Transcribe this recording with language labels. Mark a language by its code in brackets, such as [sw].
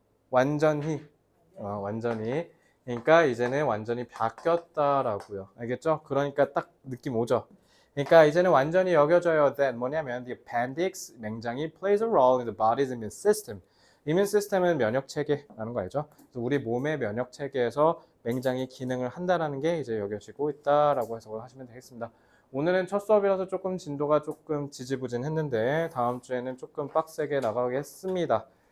[ko] 완전히. 완전히. 그러니까 이제는 완전히 바뀌었다라고요. 알겠죠? 그러니까 딱 느낌 오죠? 그러니까 이제는 완전히 여겨져요. [en] That 뭐냐면 the appendix, [ko] 맹장이 [en] plays a role in the body's immune system. [ko] immune system은 면역체계라는 거 알죠? 우리 몸의 면역체계에서 맹장이 기능을 한다는 게 이제 여겨지고 있다라고 해석을 하시면 되겠습니다. 오늘은 첫 수업이라서 조금 진도가 조금 지지부진했는데 다음 주에는 조금 빡세게 나가겠습니다.